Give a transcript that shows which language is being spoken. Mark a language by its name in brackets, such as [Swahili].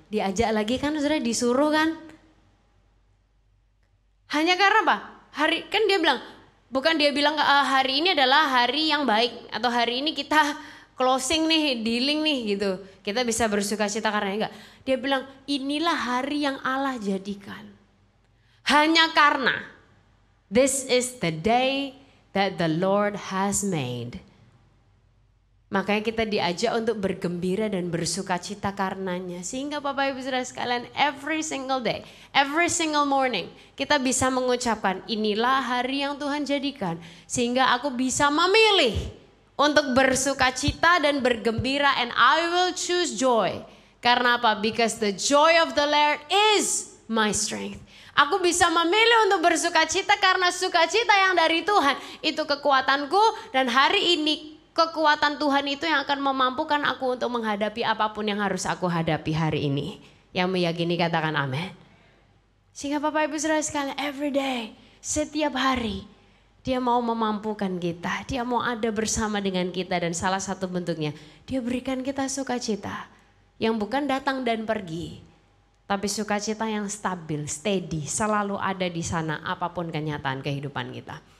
[Indonesian] Diajak lagi kan saudara, disuruh kan. Hanya karena apa? Hari kan dia bilang, bukan dia bilang hari ini adalah hari yang baik atau hari ini kita closing nih, dealing nih gitu. Kita bisa bersuka cita karena enggak. Dia bilang inilah hari yang Allah jadikan. Hanya karena [English] this is the day that the Lord has made. [Indonesian] Makanya kita diajak untuk bergembira dan bersuka cita karenanya. Sehingga Bapak Ibu Saudara sekalian, [English] every single day, every single morning, [Indonesian] kita bisa mengucapkan inilah hari yang Tuhan jadikan. Sehingga aku bisa memilih untuk bersuka cita dan bergembira, [English] and I will choose joy. [Indonesian] Karena apa? [English] Because the joy of the Lord is my strength. [Indonesian] Aku bisa memilih untuk bersuka cita karena sukacita yang dari Tuhan itu kekuatanku, dan hari ini kekuatan Tuhan itu yang akan memampukan aku untuk menghadapi apapun yang harus aku hadapi hari ini. Yang meyakini katakan amin. Sehingga Bapak Ibu Saudara sekalian, [English] every day, [Indonesian] setiap hari, dia mau memampukan kita, dia mau ada bersama dengan kita, dan salah satu bentuknya, dia berikan kita sukacita yang bukan datang dan pergi, tapi sukacita yang stabil, steady, selalu ada di sana apapun kenyataan kehidupan kita.